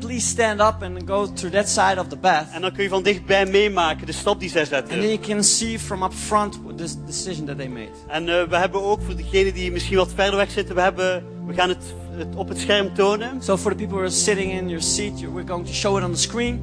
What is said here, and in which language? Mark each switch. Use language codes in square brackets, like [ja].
[en] Please stand up and go to that side of the bath. [nl] En dan kun je van dichtbij meemaken de stap die zij zetten. [en] And then you can see from up front the decision that they made. [nl] En we hebben ook voor degenen die misschien wat verder weg zitten, we gaan het op het scherm tonen. [en] So for the people who are sitting in your seat, we're going to show it on the screen.